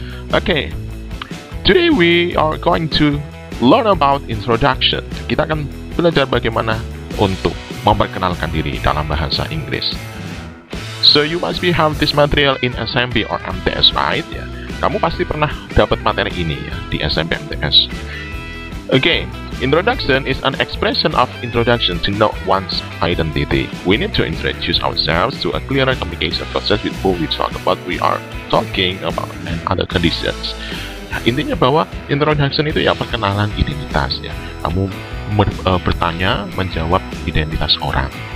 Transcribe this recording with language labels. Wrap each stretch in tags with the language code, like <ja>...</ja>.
<en>Okay, today we are going to learn about introduction.</en> <id>Kita akan belajar bagaimana untuk memperkenalkan diri dalam bahasa Inggris.</id> <en>So you must be have this material in SMP or MTS, right? Yeah.</en> <id>Kamu pasti pernah dapat materi ini ya di SMP MTS.</id> <en>Okay, introduction is an expression of introduction to know one's identity. We need to introduce ourselves to a clearer communication process with who we talk about, we are talking about, and other conditions.</en> <id>Nah, intinya bahwa introduction itu ya perkenalan identitas ya. Kamu bertanya, menjawab identitas orang.</id>